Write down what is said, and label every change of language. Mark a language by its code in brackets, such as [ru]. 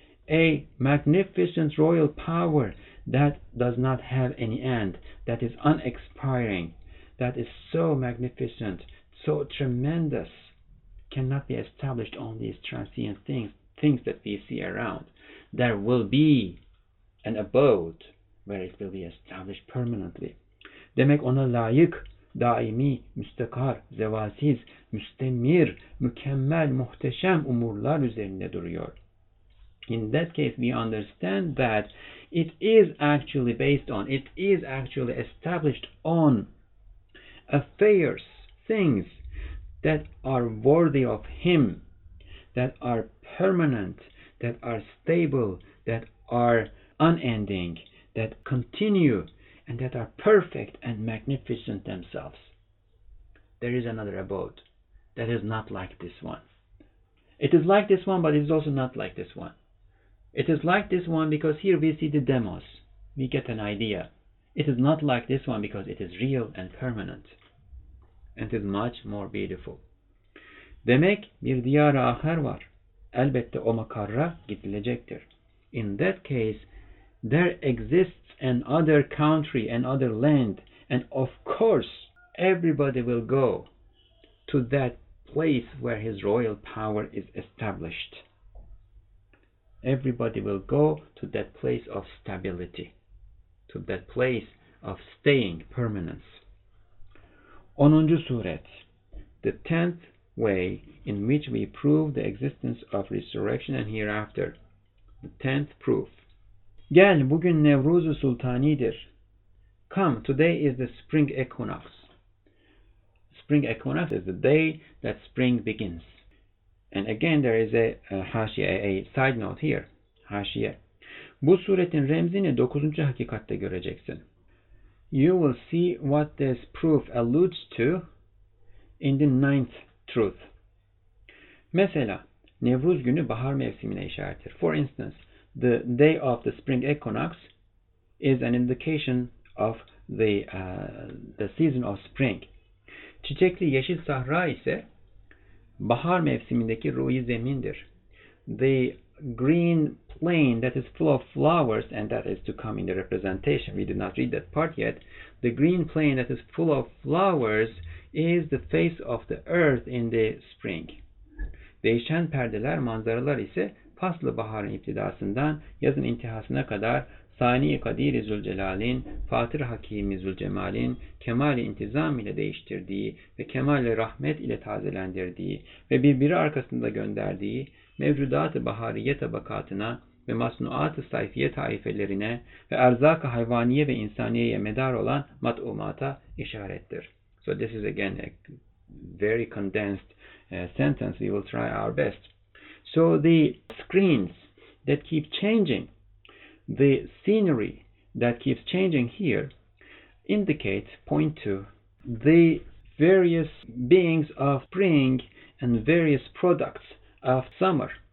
[en] A magnificent royal power that does not have any end, that is unexpiring, that is so magnificent, so tremendous, cannot be established on these transient things that we see around. There will be an abode where it will be established permanently. [tr] Demek ona layık, daimi, müstakar, zevasiz, müstemir, mükemmel, muhteşem umurlar üzerinde duruyor. [en] In that case, we understand that it is actually based on, it is actually established on affairs, things that are worthy of Him, that are permanent, that are stable, that are unending, that continue, and that are perfect and magnificent themselves. There is another abode that is not like this one. It is like this one, but it is also not like this one. It is like this one because here we see the demos. We get an idea. It is not like this one because it is real and permanent. And it is much more beautiful. [tr] Demek bir diyar-ı ahar var. Elbette o makarra gidilecektir. [en] In that case, there exists another country, another land, and of course, everybody will go to that place where his royal power is established. Everybody will go to that place of stability, to that place of staying, permanence. 10. Suret, the 10th way in which we prove the existence of resurrection and hereafter. The 10th proof. [tr] Gel, bugün Nevruz-u Sultani'dir. [en] Come, today is the spring equinox. Spring equinox is the day that spring begins. And again, there is a side note here. [tr] Haşiye. Bu suretin remzini 9. hakikatte göreceksin. [en] You will see what this proof alludes to in the 9th truth. [tr] Mesela, Nevruz günü bahar mevsimine işarettir. [en] For instance, the day of the spring equinox is an indication of the season of spring. [tr] Çiçekli yeşil sahra ise bahar mevsimindeki ruhi zemindir. [en] The green plain that is full of flowers, and that is to come in the representation. We did not read that part yet. The green plain that is full of flowers is the face of the earth in the spring. [tr] Değişen perdeler, manzaralar ise faslı baharın iptidasından yazın intihasına kadar Sani-i Kadir-i Zülcelal'in, Fatır-ı Hakim-i Zülcemal'in kemal-i intizam ile değiştirdiği ve kemal-i rahmet ile tazelendirdiği ve birbiri arkasında gönderdiği mevcudat-ı bahariye tabakatına ve masnuat-ı sayfiye taifelerine ve erzak-ı hayvaniye ve insaniyeye medar olan mat'umata işarettir. [en] So this is again a very condensed sentence. We will try our best. So the screens that keep changing, the scenery that keeps changing here indicate, point to, the various beings of spring and various products of summer.